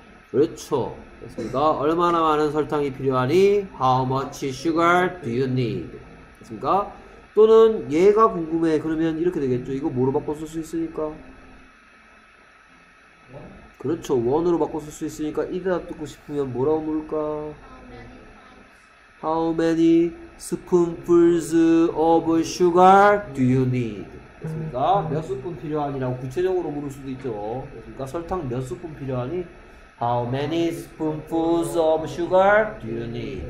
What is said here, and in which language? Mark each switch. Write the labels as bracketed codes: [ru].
[ko] 그렇죠. 됐습니까? 얼마나 많은 설탕이 필요하니? [en] How much sugar do you need? [ko] 됐습니까? 또는 얘가 궁금해. 그러면 이렇게 되겠죠. 이거 뭐로 바꿔 쓸 수 있으니까? 그렇죠. 원으로 바꿔 쓸 수 있으니까 이 대답 듣고 싶으면 뭐라고 부를까? [en] How many spoonfuls of sugar do you need? [ko] 됐습니까? 몇 스푼 필요하니라고 구체적으로 물을 수도 있죠. 그러니까 설탕 몇 스푼 필요하니? [en] How many spoonfuls of sugar do you need?